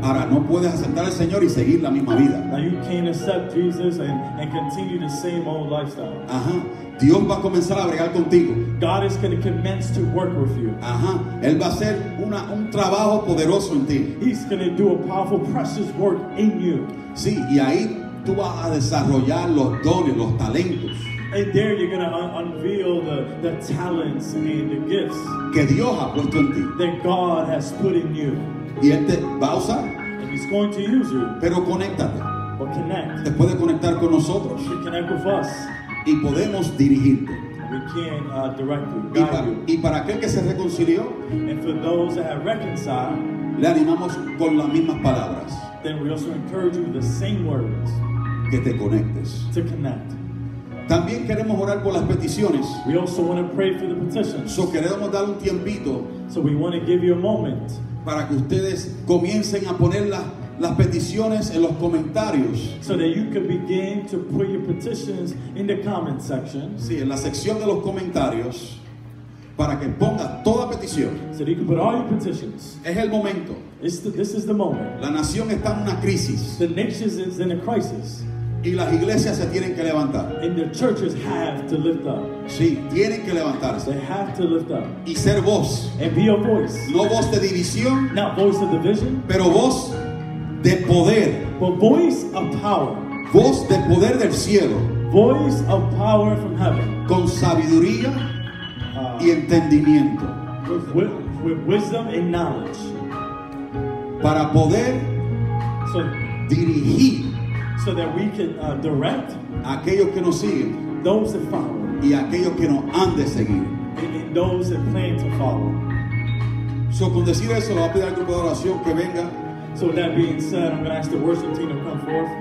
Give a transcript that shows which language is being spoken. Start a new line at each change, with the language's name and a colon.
Spanish: Ahora no puedes aceptar al Señor y seguir la misma vida.
English: Now you can't accept Jesus and continue the same old lifestyle.
Spanish: Ajá. Dios va a comenzar a bregar contigo.
English: God is going to commence to work with you. Ajá.
Spanish: Él va a hacer un trabajo poderoso en ti.
English: He's going to do a powerful, precious work in you.
Spanish: Sí, y ahí tú vas a desarrollar los dones, los talentos.
English: And there you're going to unveil the talents and the gifts
Spanish: que Dios ha puesto en ti.
English: That God has put in you.
Spanish: Y Él te va a usar.
English: And He's going to use you.
Spanish: Pero conéctate.
English: But connect.
Spanish: Te puede conectar con nosotros.
English: You connect with us.
Spanish: Y podemos dirigirte.
English: We can direct you, guide you.
Spanish: Y para aquel que se reconcilió,
English: and for those that have reconciled,
Spanish: le animamos con las mismas palabras.
English: Then we also encourage you with the same words.
Spanish: Que te conectes.
English: To connect.
Spanish: También queremos orar por las peticiones.
English: We also want to pray for the petitions.
Spanish: So queremos dar un tiempito.
English: So we want to give you a moment.
Spanish: Para que ustedes comiencen a poner las peticiones en los comentarios.
English: So that you can begin to put your petitions in the comment section.
Spanish: Sí, en la sección de los comentarios. Para que ponga toda petición.
English: So you can put all your petitions.
Spanish: Es el momento.
English: This is the moment.
Spanish: La nación está en una crisis.
English: The nation is in a crisis.
Spanish: Y las iglesias se tienen que levantar.
English: And the churches have to lift up.
Spanish: Sí, tienen que levantarse.
English: They have to lift up.
Spanish: Y ser voz.
English: And be a voice.
Spanish: No voz de división.
English: Not voice of division.
Spanish: Pero voz de poder.
English: But voice of power.
Spanish: Voz de poder del cielo.
English: Voice of power from heaven.
Spanish: Con sabiduría y entendimiento.
English: With wisdom and knowledge.
Spanish: Para poder dirigir.
English: So that we can direct
Spanish: aquellos que nos siguen,
English: those that follow,
Spanish: y aquellos que nos han de seguir,
English: and those that plan to follow.
Spanish: So con decir eso, le voy a pedir al grupo de oración que venga.
English: So with that being said, I'm going to ask the worship team to come forth.